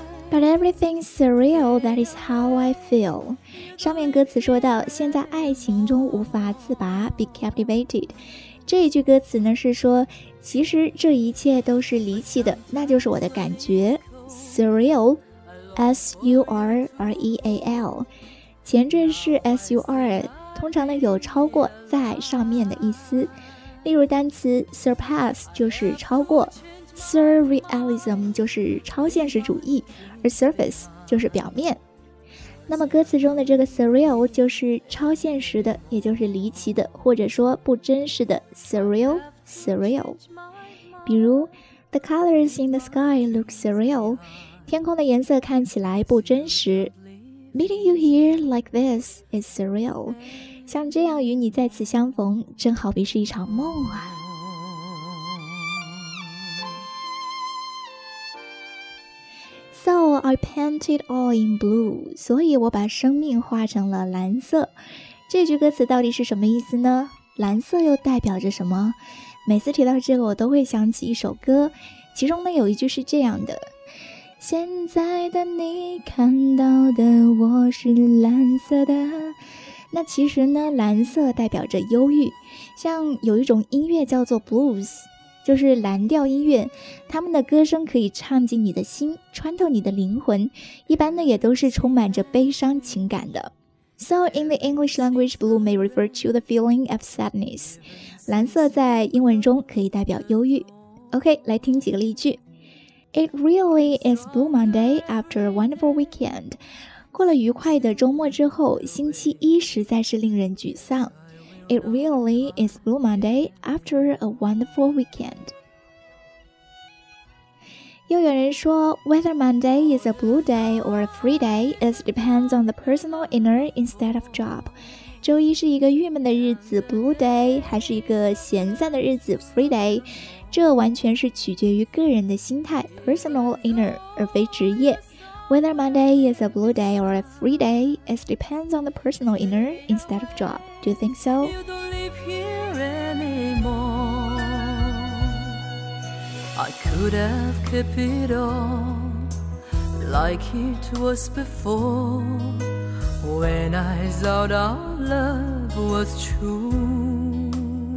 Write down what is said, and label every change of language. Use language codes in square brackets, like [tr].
[en] But everything's surreal, that is how I feel. [zh] 上面歌词说到，陷在爱情中无法自拔 , [en] be captivated. [zh] 这一句歌词呢是说，其实这一切都是离奇的，那就是我的感觉。 [en] Surreal, S-U-R-R-E-A-L. [zh] 前缀是 S-U-R, 通常呢有超过在上面的意思。例如单词 surpass 就是超过， surrealism 就是超现实主义，而 surface 就是表面。那么歌词中的这个 surreal 就是超现实的，也就是离奇的，或者说不真实的 surreal, surreal。 [en] 比如 The colors in the sky look surreal, [zh] 天空的颜色看起来不真实。 [en] Meeting you here like this is surreal, [zh] 像这样与你再次相逢，正好比是一场梦啊。 [en] So I painted all in blue, [zh] 所以我把生命画成了蓝色。这句歌词到底是什么意思呢？蓝色又代表着什么？每次提到这个，我都会想起一首歌，其中呢有一句是这样的。现在的你看到的我是蓝色的，那其实呢，蓝色代表着忧郁，像有一种音乐叫做 blues, 就是蓝调音乐，他们的歌声可以唱进你的心，穿透你的灵魂，一般呢也都是充满着悲伤情感的。 [en] So in the English language, blue may refer to the feeling of sadness. [zh] 蓝色在英文中可以代表忧郁。 OK, 来听几个例句。 [en] It really is Blue Monday after a wonderful weekend. [zh] 过了愉快的周末之后，星期一实在是令人沮丧。 [en] It really is Blue Monday after a wonderful weekend. [zh] 又有人说 [en] ,whether Monday is a blue day or a free day, it depends on the personal inner instead of job. [zh] 周一是一个郁闷的日子 blue day， 还是一个闲散的日子 free day， 这完全是取决于个人的心态 personal inner， 而非职业。 [en] Whether Monday is a blue day or a free day, it depends on the personal inner instead of job. Do you think so? You don't live here anymore. I could have kept it on like it was before when I thought our love was true.